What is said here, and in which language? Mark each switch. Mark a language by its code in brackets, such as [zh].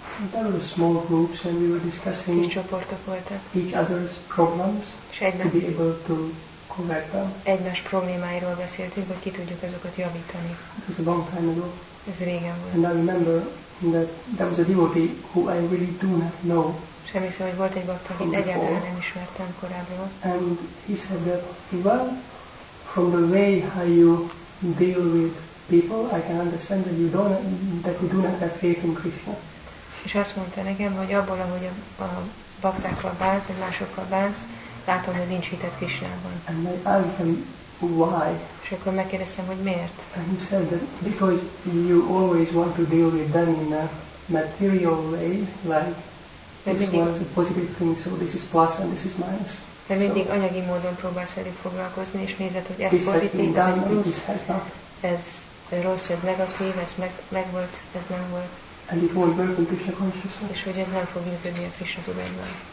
[en] There were small groups and we were discussing [hu] kis csoportok voltak. [en] Each other's problems to be able to correct them. [hu] Egymás problémáiról beszéltünk, hogy ki tudjuk azokat javítani. [en] It was a long time ago. [hu] Ez régen volt. [en] And I remember that there was a devotee who I really do not know. [hu] Semmiszer, hogy volt egy bakta, akit egyáltalán nem ismertem korábban. [en] And he said that, well, from the way how you deal with people, I can understand that you do not have faith in Krishna. [hu] És azt mondta nekem, hogy abból, ahogy a baktákkal bánsz, vagy másokkal bánsz, látom, hogy nincs hitet Krishnában. [en] And I asked him, why? [hu] És akkor megkérdeztem, hogy miért? [en] And he said that because you always want to deal with them in a material way, like this one is a positive thing, so this is plus and this is minus. [hu] De mindig anyagi módon próbálsz velük foglalkozni, és nézed, hogy ez pozitív, ez egy plusz, ez rossz, ez negatív, ez meg volt, ez nem volt. [en] And it won't work in Krishna consciousness. [hu] És hogy ez nem fog működni a Krishna tudatban.